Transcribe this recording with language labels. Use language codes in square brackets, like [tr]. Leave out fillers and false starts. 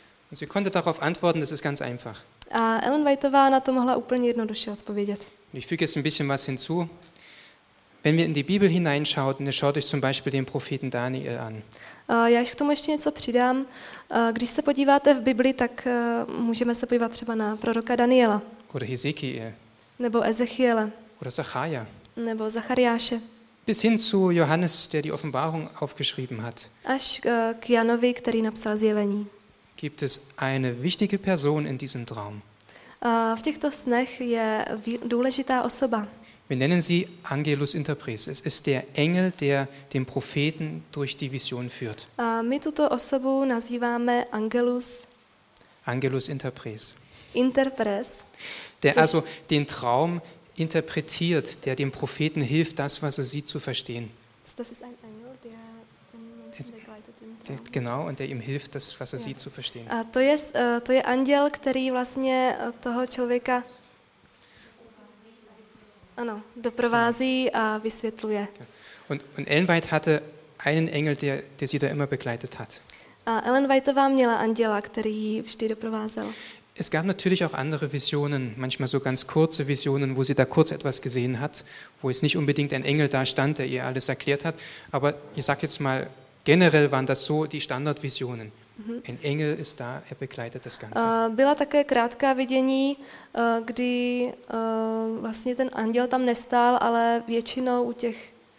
[de] Und sie konnte darauf antworten, das ist ganz einfach. [cs] A Ellen Whiteová na to mohla úplně jednoduše odpovědět. [de] Ich füge jetzt ein bisschen was hinzu. Wenn wir in die Bibel hineinschauen, dann schaut euch zum Beispiel den Propheten Daniel an. [cs] Já ještě k tomu ještě něco přidám. Když se podíváte v Bibli, tak můžeme se podívat třeba na proroka Daniela. [de] Oder Hesekiel. [cs] Nebo Ezechiele. [de] Oder Zacharia. [cs] Nebo Zachariáše. [de] Bis hin zu Johannes, der die Offenbarung aufgeschrieben hat. [cs] Až k Janovi, který napsal zjevení. [de] Gibt es eine wichtige Person in diesem Traum? [cs] V těchto snech je důležitá osoba. [de] Wir nennen sie Angelus Interpres. Es ist der Engel, der den Propheten durch die Vision führt. [cs] My tuto osobu nazýváme Angelus. [la] Angelus Interpres. Interpres. [de] Der also den Traum interpretiert, der dem Propheten hilft, das, was er sieht, zu verstehen. Das ist ein Engel, der den Menschen begleitet im Traum. Genau, und der ihm hilft, das, was er sieht, zu verstehen. [cs] To je anděl, který vlastně toho člověka ano, doprovází a vysvětluje. [de] Und Ellen White hatte einen Engel, der sie da immer begleitet hat. [cs] A Ellen Whiteová měla anděla, který ji vždy doprovázel. [de] Es gab natürlich auch andere Visionen, manchmal so ganz kurze Visionen, wo sie da kurz etwas gesehen hat, wo es nicht unbedingt ein Engel da stand, der ihr alles erklärt hat. Aber ich sag jetzt mal, generell waren das so die Standardvisionen. Mhm. Ein Engel ist da, er begleitet das Ganze. [cs] Byla také krátká vidění, kdy vlastně ten anděl tam nestál, ale většinou u těch